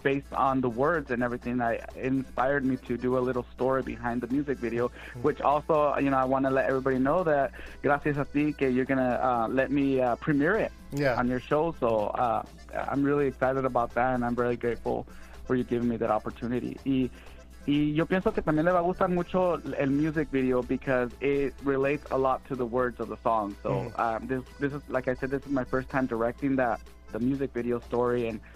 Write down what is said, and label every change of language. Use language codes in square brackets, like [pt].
[en] Based on the words and everything, that inspired me to do a little story behind the music video. Mm-hmm. Which also, you know, I want to let everybody know that [es] gracias a ti que [en] you're gonna let me premiere it. Yeah. On your show. So I'm really excited about that, and I'm really grateful for you giving me that opportunity. [es] Y yo pienso que también le va a gustar mucho el music video, [en] because it relates a lot to the words of the song. So this is, like I said, this is my first time directing that, the music video story.